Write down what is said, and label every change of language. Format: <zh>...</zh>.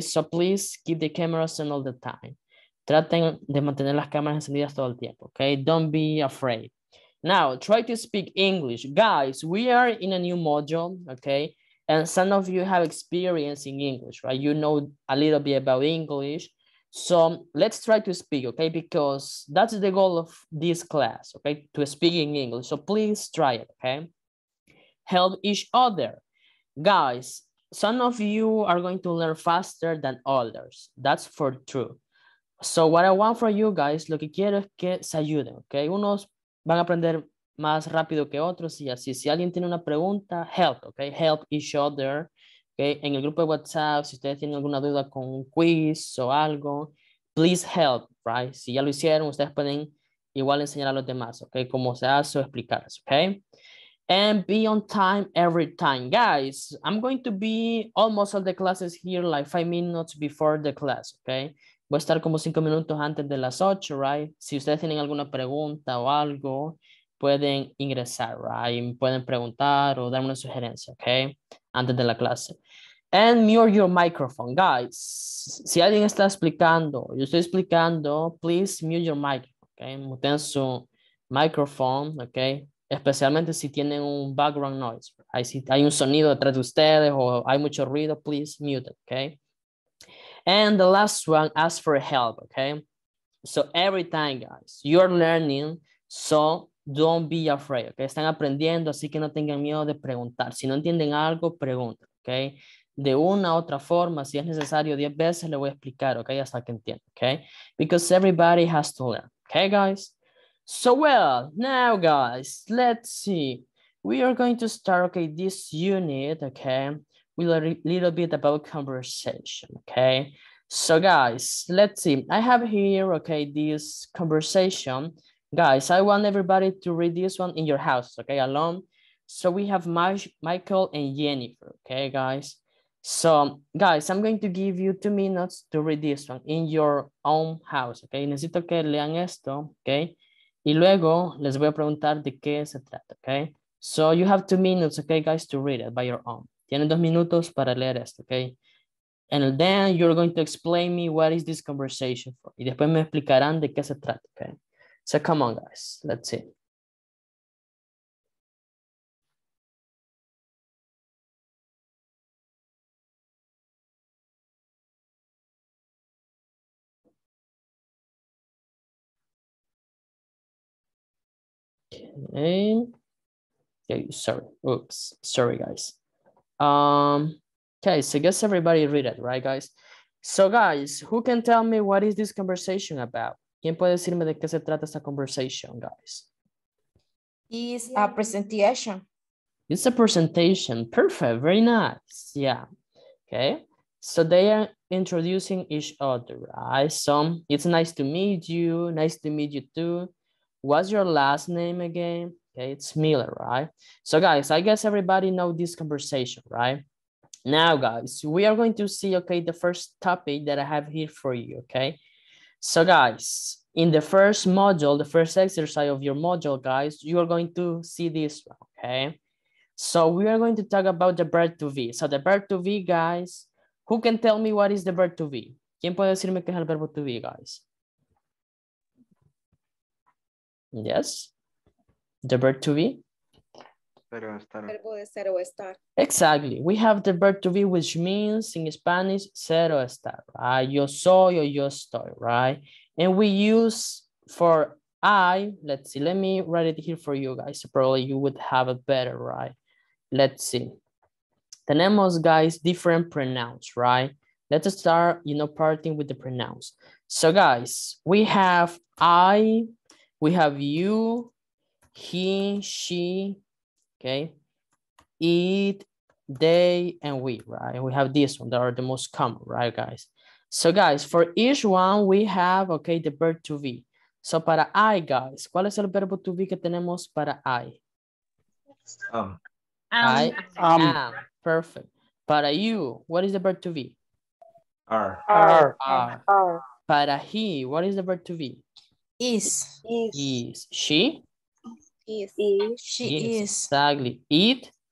<en>So please keep the cameras on all the time.</en> <es>Traten de mantener las cámaras encendidas todo el tiempo, okay?</es> <en>Don't be afraid. Now, try to speak English. Guys, we are in a new module, okay? And some of you have experience in English, right? You know a little bit about English. So let's try to speak, okay? Because that's the goal of this class, okay? To speak in English. So please try it, okay? Help each other. Guys, some of you are going to learn faster than others. That's for true. So what I want for you guys,</en> <es>lo que quiero es que se ayuden,</es> <en>okay?</en> <es>Unos van a aprender más rápido que otros y así. Si alguien tiene una pregunta,</es> <en>help, okay? Help each other, okay?</en> <es>En el grupo de WhatsApp, si ustedes tienen alguna duda con un quiz o algo,</es> <en>please help, right?</en> <es>Si ya lo hicieron, ustedes pueden igual enseñar a los demás, okay? Cómo se hace o explicarles,</es> <en>okay? And be on time every time. Guys, I'm going to be almost all the classes here like 5 minutes before the class, okay?</en> <es>Voy a estar como 5 minutos antes de las 8, right? Si ustedes tienen alguna pregunta o algo, pueden ingresar, right? Pueden preguntar o dar una sugerencia, okay? Antes de la clase.</es> <en>And mute your microphone. Guys,</en> <es>si alguien está explicando, yo estoy explicando,</es> <en>please mute your mic, okay?</en> <es>Muten su microphone, okay? Especialmente si tienen un background noise. Ahí si hay un sonido detrás de ustedes o hay mucho ruido,</es> <en>please mute it,</en> <es>okay?</es> <en>And the last one, ask for help, okay? So every time, guys, you're learning, so don't be afraid, okay?</en> <es>Están aprendiendo, así que no tengan miedo de preguntar. Si no entienden algo, pregunten, okay? De una u otra forma, si es necesario 10 veces, le voy a explicar, okay? Hasta que entiendan,</es> <en>okay? Because everybody has to learn, okay, guys? So well, now, guys, let's see. We are going to start, okay, this unit, okay, with a little bit about conversation, okay? So, guys, let's see. I have here, okay, this conversation. Guys, I want everybody to read this one in your house, okay, alone. So we have Michael and Jennifer, okay, guys? So, guys, I'm going to give you 2 minutes to read this one in your own house, okay?</en> <es>Necesito que lean esto, okay? Y luego les voy a preguntar de qué se trata, okay?</es> <en>So you have 2 minutes, okay, guys, to read it by your own.</en> <es>Tienen 2 minutos para leer esto,</es> <en>okay? And then you're going to explain me what is this conversation for.</en> <es>Y después me explicarán de qué se trata, okay?</es> <en>So come on, guys, let's see. Okay. Okay, sorry, oops, sorry, guys. Okay, so I guess everybody read it, right, guys? So, guys, who can tell me what is this conversation about?</en> <es>¿Quién puede decirme de qué se trata esta conversation, guys?</es> <en>It's a presentation. It's a presentation, perfect, very nice, yeah. Okay, so they are introducing each other, right? So it's nice to meet you too. What's your last name again? Okay, it's Miller, right? So guys, I guess everybody know this conversation, right? Now guys, we are going to see, okay, the first topic that I have here for you, okay? So guys, in the first module, the first exercise of your module, guys, you are going to see this one, okay? So we are going to talk about the verb to be. So the verb to be, guys, who can tell me what is the verb to be? ¿Quién puede decirme qué es el verbo to be, guys? Yes? The verb to be?</en> <es>Pero estar. Verbo de ser o estar.</es> <en>Exactly. We have the verb to be, which means in Spanish, ser o estar, right?</en> <es>Yo soy o yo estoy,</es> <en>right? And we use for I, let's see, let me write it here for you guys. Probably you would have it better, right? Let's see. Tenemos, guys, different pronouns, right? Let's start, you know, parting with the pronouns. So, guys, we have I, we have you, he, she, okay, it, they, and we, right? We have this one that are the most common, right, guys? So, guys, for each one, we have, okay, the verb to be.</en> <es>So, para I, guys, ¿cuál es el verbo to be que tenemos para I?</es> <en>I am. Perfect. Para you, what is the verb to be? Are. Para he, what is the verb to be? Is. She? Is. She is. Exactly. It?</en>